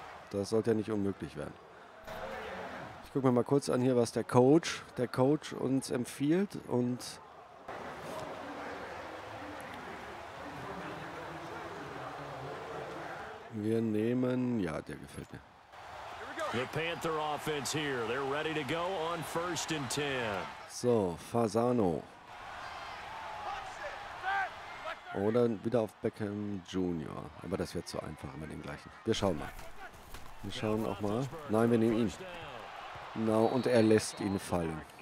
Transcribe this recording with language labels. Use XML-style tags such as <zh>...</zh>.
<de>Das sollte ja nicht unmöglich werden. Ich gucke mir mal kurz an hier, was der Coach uns empfiehlt und wir nehmen, ja, der gefällt mir.</de> <en>The Panther offense here. They're ready to go on first and 10. So, Fasano.</en> <de>Oder wieder auf Beckham Junior. Aber das wird zu einfach immer den gleichen. Wir schauen mal. Wir schauen auch mal. Nein, wir nehmen ihn. Na, und er lässt ihn fallen.</de>